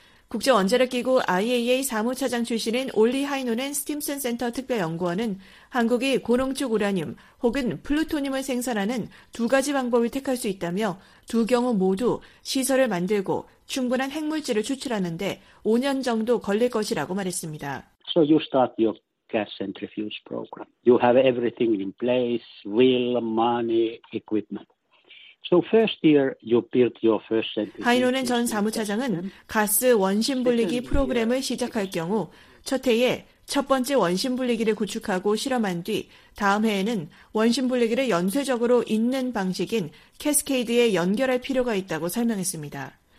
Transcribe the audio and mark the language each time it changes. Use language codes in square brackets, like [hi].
[ko] 국제원자력기구 IAEA 사무차장 출신인 올리 하이노넨 스팀슨 센터 특별연구원은 한국이 고농축 우라늄 혹은 플루토늄을 생산하는 두 가지 방법을 택할 수 있다며 두 경우 모두 시설을 만들고 충분한 핵물질을 추출하는데 5년 정도 걸릴 것이라고 말했습니다. [en] So you start your gas centrifuge program. You have everything in place, will, money, equipment. So first year you build your first centrifuge. [ko] 하이노넨 전 사무차장은 가스 원심 분리기 프로그램을 시작할 경우 첫 해에 첫 번째 원심 분리기를 구축하고 실험한 뒤 다음 해에는 원심 분리기를 연쇄적으로 있는 방식인 캐스케이드에 연결할 필요가 있다고 설명했습니다.